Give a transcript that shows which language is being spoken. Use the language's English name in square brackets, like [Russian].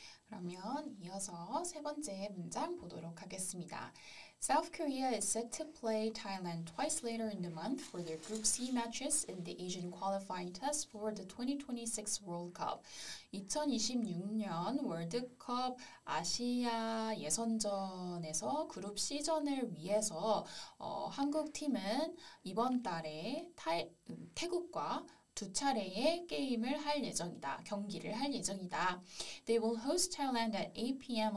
[Korean] 그러면 이어서 세 번째 문장 보도록 하겠습니다. [English] South Korea is set to play Thailand twice later in the month for their Group C matches in the Asian qualifying test for the 2026 World Cup. [Korean] 2026년 월드컵 아시아 예선전에서 그룹 C전을 위해서 한국 팀은 이번 달에 태국과 두 차례의 게임을 할 예정이다. 경기를 할 예정이다. [English] They will host Thailand at 8 p.m.